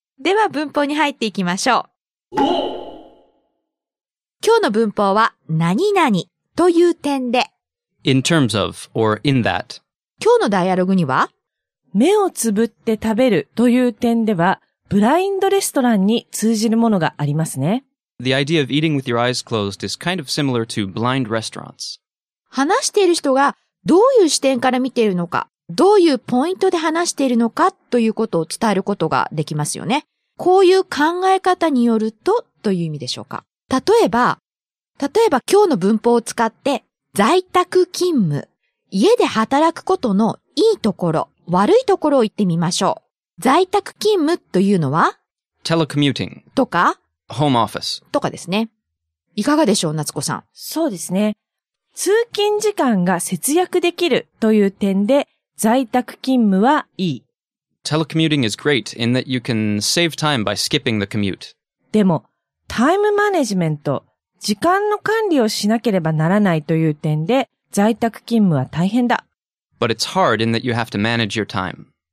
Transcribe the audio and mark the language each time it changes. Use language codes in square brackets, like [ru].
[ja] では文法に入っていきましょう。今日の文法は何々という点で、 [en] in terms of or in that。 [ja] 今日のダイアログには、目をつぶって食べるという点ではブラインドレストランに通じるものがありますね。 [en] The idea of eating with your eyes closed is kind of similar to blind restaurants. [ja] 話している人がどういう視点から見ているのか、どういうポイントで話しているのかということを伝えることができますよね。こういう考え方によるとという意味でしょうか。例えば今日の文法を使って在宅勤務、家で働くことのいいところ、悪いところを言ってみましょう。在宅勤務というのは [en] Telecommuting [ja] とか [en] Home office [ja] とかですね。いかがでしょう、夏子さん。そうですね。通勤時間が節約できるという点で在宅勤務はいい。 [en] Telecommuting is great in that you can save time by skipping the commute. [ja] でも、タイムマネジメント、時間の管理をしなければならないという点で在宅勤務は大変だ。 [en] But it's hard in that you have to manage your time.